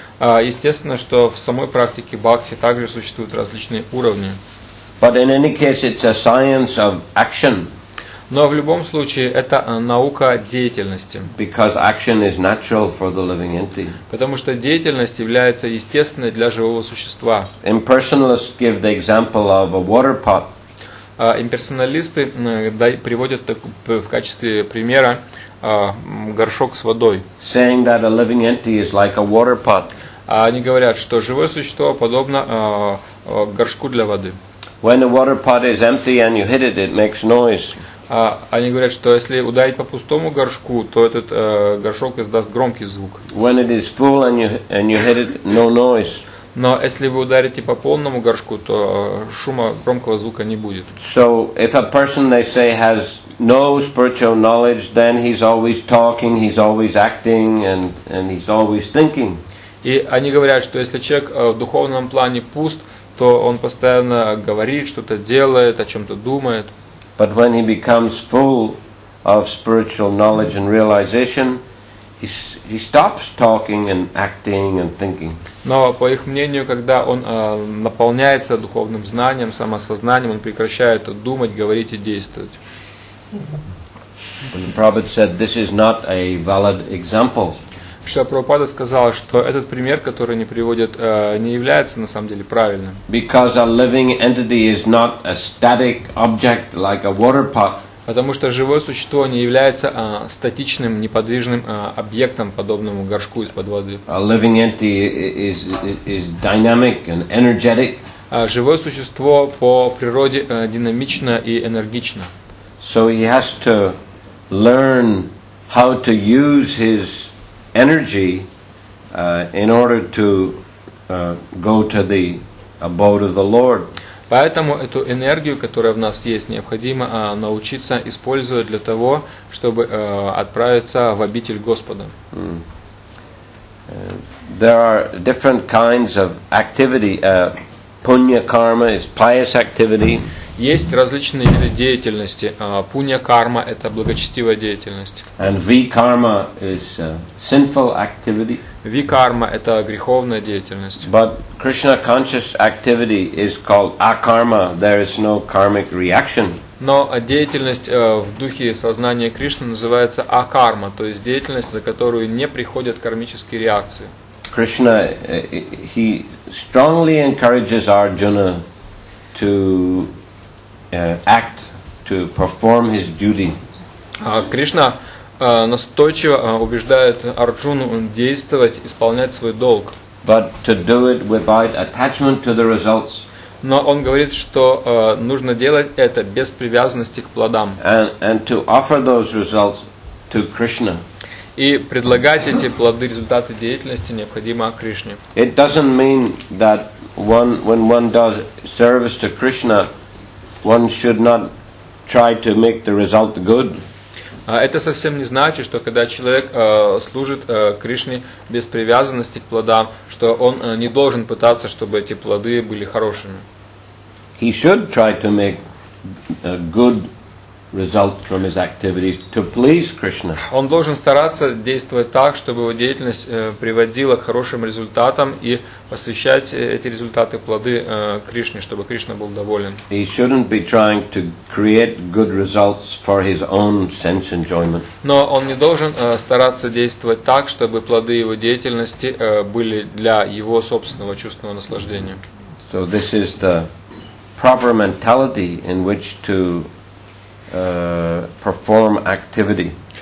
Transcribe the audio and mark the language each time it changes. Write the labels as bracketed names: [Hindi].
[Russian] Естественно, что в самой практике бхакти также существуют различные уровни. [English] But in any case, it's a science of action. [Russian] Но в любом случае это наука деятельности. [English] Because action is natural for the living entity. [Russian] Потому что деятельность является естественной для живого существа. [English] Impersonalists give the example of a water pot. [Russian] Имперсоналисты приводят в качестве примера горшок с водой. [English] Saying that a living entity is like a water pot. [Russian] Они говорят, что живое существо подобно горшку для воды. [English] When a water pot is empty and you hit it, it makes noise. [Russian] Они говорят, что если ударить по пустому горшку, то этот горшок издаст громкий звук. [English] When it is full and you hit it, no noise. [Russian] Но если вы ударите по полному горшку, то шума громкого звука не будет. [English] So if a person, they say, has no spiritual knowledge, then he's always talking, he's always acting, and he's always thinking. [Russian] И они говорят, что если человек в духовном плане пуст, то он постоянно говорит, что-то делает, о чем-то думает. [English] But when he becomes full of spiritual knowledge and realization, he stops talking and acting and thinking. [Russian] Но по их мнению, когда он наполняется духовным знанием, самосознанием, он прекращает думать, говорить и действовать. [English] Prabhupada said this is not a valid example. [Russian] Шрила Прабхупада сказал, что этот пример, который они приводят, не является на самом деле правильным. [English] Because a living entity is not a static object like a water pot. [Russian] Потому что живое существо не является статичным, неподвижным объектом, подобному горшку из-под воды. [English] A living entity is dynamic and energetic. [Russian] Живое существо по природе динамично и энергично. [English] So he has to learn how to use his energy in order to go to the abode of the Lord. [Russian] Поэтому эту энергию, которая в нас есть, необходимо научиться использовать для того, чтобы отправиться в обитель Господа. [English] There are different kinds of activity. Punya karma is pious activity. [Russian] Есть различные виды деятельности. Пунья карма – это благочестивая деятельность. [English] And ви-карма is sinful activity. [Russian] Ви-карма – это греховная деятельность. [English] But Krishna conscious activity is called акарма. There is no karmic reaction. [Russian] Но деятельность в духе сознания Кришны называется акарма, то есть деятельность, за которую не приходят кармические реакции. [English] Krishna he strongly encourages Arjuna to act to perform his duty. [Russian] Кришна настойчиво убеждает Арджуну действовать, исполнять свой долг. [English] But to do it without attachment to the results. [Russian] Но он говорит, что нужно делать это без привязанности к плодам. [English] And to offer those results to Krishna. [Russian] И предлагать эти плоды, результаты деятельности необходимо Кришне. [English] It doesn't mean that one when one does service to Krishna, one should not try to make the result good. [Russian] Это совсем не значит, что когда человек служит Кришне без привязанности к плодам, что он не должен пытаться, чтобы эти плоды были хорошими. [English] He should try to make good results from his activities to please Krishna. [Russian] Он должен стараться действовать так, чтобы его деятельность приводила к хорошим результатам и посвящать эти результаты плоды Кришне, чтобы Кришна был доволен. [English] He shouldn't be trying to create good results for his own sense enjoyment. [Russian] Но он не должен стараться действовать так, чтобы плоды его деятельности были для его собственного чувственного наслаждения. [English] So this is the proper mentality in which to perform activity.